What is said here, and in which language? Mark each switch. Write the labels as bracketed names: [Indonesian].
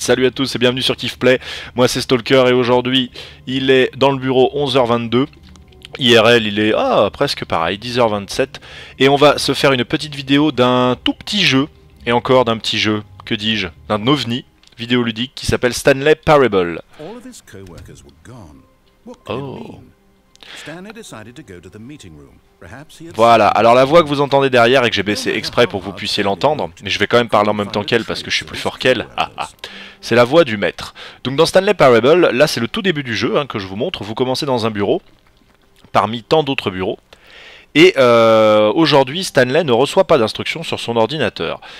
[French] Salut à tous et bienvenue sur Kif Play. Moi c'est Stalker et aujourd'hui il est dans le bureau 11h22. IRL il est presque pareil, 10h27. Et on va se faire une petite vidéo d'un tout petit jeu, et encore d'un petit jeu, que dis-je, d'un ovni vidéoludique qui s'appelle Stanley Parable. [English] All of his co-workers were gone. What could it mean? Stanley decided to go to the meeting room. [French] Voilà, alors la voix que vous entendez derrière et que j'ai baissé exprès pour que vous puissiez l'entendre, mais je vais quand même parler en même temps qu'elle parce que je suis plus fort qu'elle, c'est la voix du maître. Donc dans Stanley Parable, là c'est le tout début du jeu que je vous montre, vous commencez dans un bureau, parmi tant d'autres bureaux, et aujourd'hui Stanley ne reçoit pas d'instructions sur son ordinateur.